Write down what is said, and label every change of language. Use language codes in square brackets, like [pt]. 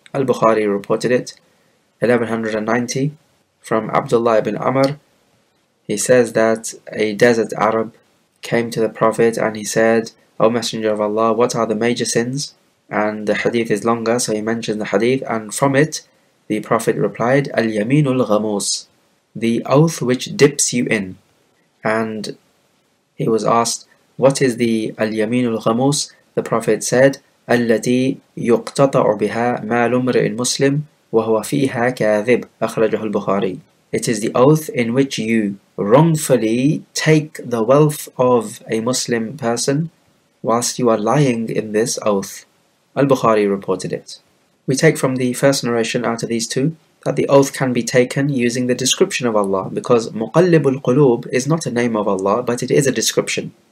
[en] Al-Bukhari reported it. 1190 from Abdullah ibn Umar, he says that a desert Arab came to the Prophet and he said, O Messenger of Allah, what are the major sins? And the hadith is longer, so he mentioned the hadith, and from it the Prophet replied, Al-Yamin al-Ghamus, the oath which dips you in. And he was asked, what is the Al-Yamin al-Ghamus? The Prophet said, [ar] التي يقتطع بها مال امرئ مسلم وهو فيها كاذب أخرجه البخاري. [en] It is the oath in which you wrongfully take the wealth of a Muslim person whilst you are lying in this oath. Al-Bukhari reported it. We take from the first narration out of these two that the oath can be taken using the description of Allah, because Muqallibul Qulub is not a name of Allah, but it is a description.